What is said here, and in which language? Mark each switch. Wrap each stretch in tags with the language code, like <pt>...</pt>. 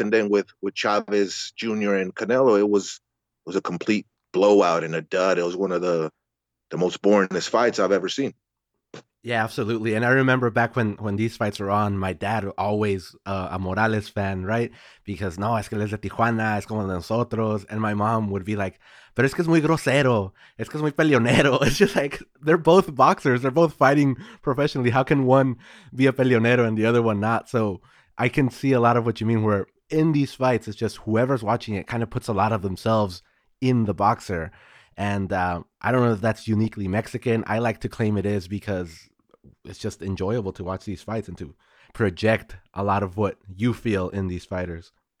<en>And then with Chavez Jr. and Canelo, it was a complete blowout and a dud. It was one of the most boringest fights I've ever seen. Yeah, absolutely. And I remember back when these fights were on, my dad always a Morales fan, right? Because,</en> <es>no, es que él es de Tijuana, es como de nosotros.</es> <en>And my mom would be like,</en> <es>pero es que es muy grosero, es que es muy peleonero.</es> <en>It's just like, they're both boxers. They're both fighting professionally. How can one be a peleonero and the other one not? So I can see a lot of what you mean, where in these fights, it's just whoever's watching it kind of puts a lot of themselves in the boxer. And I don't know if that's uniquely Mexican. I like to claim it is because it's just enjoyable to watch these fights and to project a lot of what you feel in these fighters.</en>